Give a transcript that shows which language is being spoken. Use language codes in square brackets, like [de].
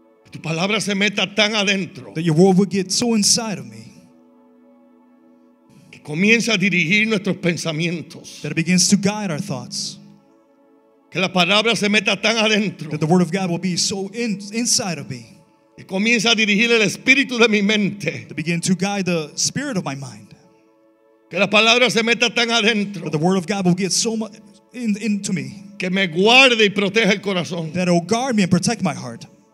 [es] Tu palabra se meta tan adentro. [en] That your word will get so inside of me. [es] Que comience a dirigir nuestros pensamientos. [en] That it begins to guide our thoughts. [es] Que la palabra se meta tan adentro. [en] That the word of God will be so inside of me. [es] Que comience a dirigir el espíritu de mi mente. [en] That begin to guide the spirit of my mind. [es] Que la palabra se meta tan adentro. [en] That the word of God will get so much into me. [es] Que me guarde y proteja el corazón. [en] That it will guard me and protect my heart.